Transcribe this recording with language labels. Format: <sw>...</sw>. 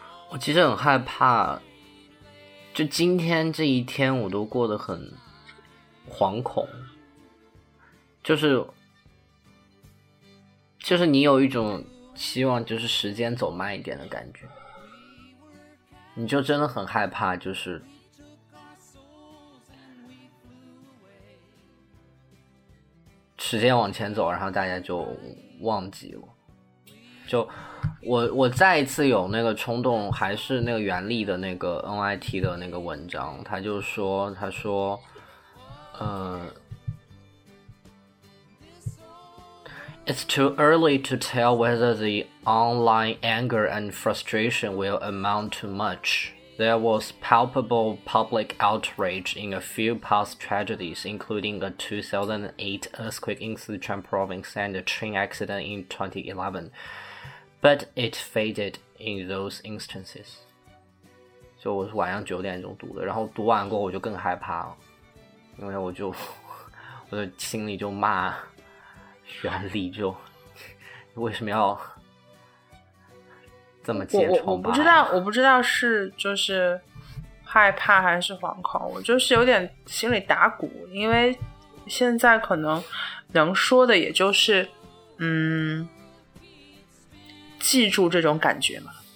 <zh>我其实很害怕，就今天这一天我都过得很惶恐，就是你有一种希望就是时间走慢一点的感觉，你就真的很害怕，就是时间往前走然后大家就忘记了。就我再一次有那个冲动，还是那个袁立的那个 NIT 的那个文章，他说</zh> <en>It's too early to tell whether the online anger and frustration will amount to much. There was palpable public outrage in a few past tragedies, including the 2008 earthquake in Sichuan province and the train accident in 2011. But it faded in those instances.</en> <zh>就我是晚上九点钟读的，然后读完过后我就更害怕了，因为我的心里就骂袁立，就为什么要这么揭穿吧？我不知道是就是害怕还是惶恐，我就是有点心里打鼓，因为现在可能说的也就是记住这种感觉吗？</zh>